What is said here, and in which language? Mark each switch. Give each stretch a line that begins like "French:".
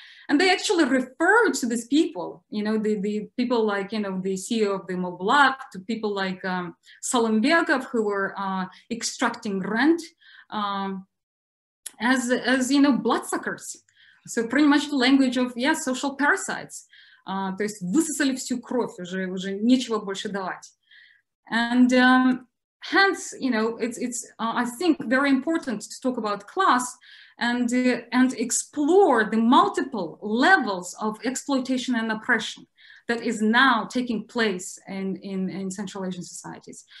English: And they actually refer to these people, the people like, the CEO of the mobile app, to people like Solombekov, who were extracting rent as bloodsuckers. So pretty much the language of, social parasites.
Russian: То есть высосали всю кровь, уже нечего больше давать.
English: And hence, it's I think very important to talk about class and explore the multiple levels of exploitation and oppression that is now taking place in Central Asian societies.